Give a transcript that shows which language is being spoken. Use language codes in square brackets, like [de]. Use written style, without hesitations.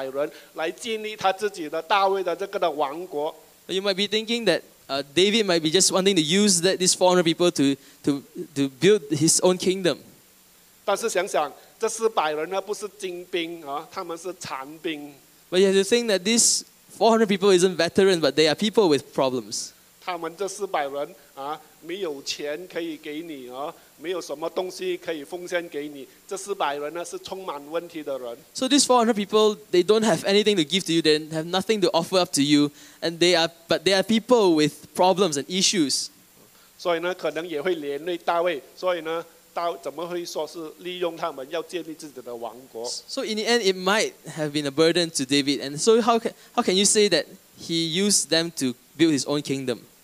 [zh] 可能有些人会说，大卫呢，其实呢是想利用这400人来建立他自己的大卫的这个的王国。 [en] You might be thinking that David might be just wanting to use that these 400 people to build his own kingdom. [zh] 但是想想，这400人呢不是精兵啊，他们是残兵。 [en] But you have to think that this 400 people isn't veterans, but they are people with problems. [zh] 他们这400人啊，没有钱可以给你啊，没有什么东西可以奉献给你。这400人呢，是充满问题的人。 [en] So these 400 people, they don't have anything to give to you. They have nothing to offer up to you, and they are people with problems and issues. [zh] 所以呢，可能也会连累大卫。所以呢，大怎么会说是利用他们要建立自己的王国？ [en] So in the end, it might have been a burden to David. And so how can you say that he used them to build his own kingdom?